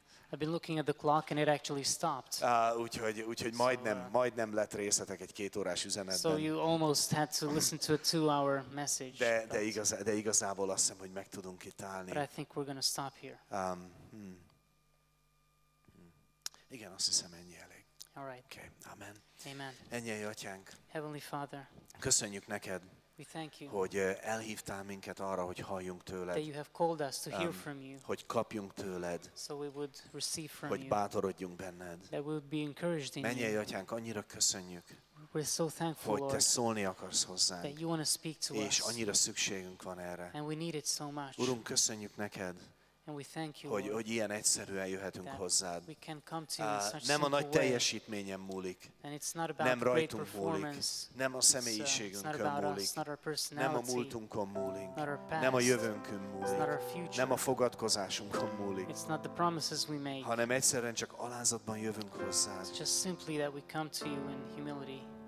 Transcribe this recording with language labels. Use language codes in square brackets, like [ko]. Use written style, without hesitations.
[en] I've been looking at the clock and it actually stopped. [hu] Úgyhogy majdnem lett részletek egy két órás üzenetben. [en] So you almost had to listen to a 2-hour message. [hu] De igazából azt hiszem, hogy meg tudunk itt állni. [en] But I think we're gonna stop here. [hu] Igen, azt hiszem ennyi elég. [en] All right. Okay. Amen. Amen. [hu] Ennyi, Atyánk. [en] Heavenly Father. [hu] Köszönjük neked. [en] We thank you. [hu] Hogy elhívtál minket arra, hogy halljunk tőled. [en] That you have called us to hear from you. [hu] Hogy kapjunk tőled. [en] So we would receive from [hu] hogy [en] you. [hu] Bátorodjunk benned. [en] That we would be encouraged in you. [hu] Mennyei Atyánk, annyira köszönjük. [en] We're so thankful, [hu] hogy te [en] Lord, [hu] szólni akarsz hozzánk. [en] That you want to speak to [hu] és [en] us. [hu] És annyira szükségünk van erre. [en] And we need it so much. [hu] Urunk, köszönjük neked. [en] And we thank you, [hu] hogy [en] Lord, [hu] hogy ilyen egyszerűen jöhetünk hozzád. [en] We can come to you in such [hu] nem a nagy [en] way. [hu] Teljesítményen múlik. [en] And it's not about [hu] nem rajtunk múlik. Nem a személyiségünkön múlik. [en] Not our personality. [hu] Nem a múltunkon múlik. [en] Not our past. [hu] Nem a jövőnkön múlik. [en] It's not our future. [hu] Nem a fogadkozásunkon múlik. [en] It's not the promises we make. [hu] Hanem egyszerűen csak alázatban jövünk hozzád. [en] It's just simply that we come to you in humility.